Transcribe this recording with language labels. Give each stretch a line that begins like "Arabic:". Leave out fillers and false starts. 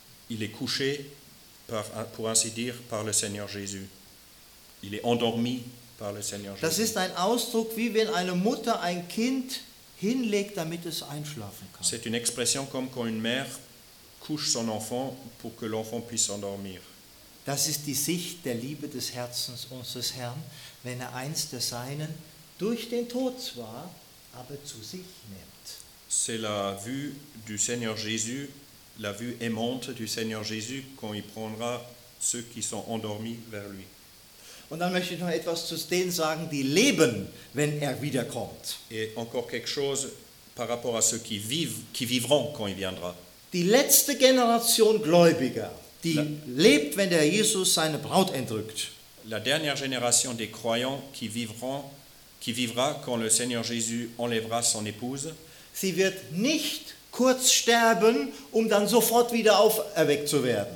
French: Il est couché, pour ainsi dire, par le Seigneur Jésus. Il est endormi par le Seigneur Jésus.
German: Das ist ein Ausdruck, wie wenn eine Mutter ein Kind hinlegt, damit es einschlafen kann.
French: C'est une expression comme quand une mère couche son enfant pour que l'enfant puisse s'endormir.
German: Das ist die Sicht der Liebe des Herzens unseres Herrn, wenn er eins der Seinen durch den Tod zwar, aber zu sich nimmt.
French: C'est la vue du Seigneur Jésus, la vue aimante du Seigneur Jésus, quand il prendra ceux qui sont endormis vers lui.
German: Und dann möchte ich noch etwas zu denen sagen, die leben, wenn er wiederkommt.
French: Et encore quelque chose par rapport à ceux qui vivront quand il viendra.
German: Die letzte Generation Gläubiger, die lebt, wenn der Jesus seine Braut entrückt.
French: La dernière génération des croyants qui vivra quand le Seigneur Jésus enlèvera son épouse.
German: Sie wird nicht kurz sterben, um dann sofort wieder auferweckt zu werden.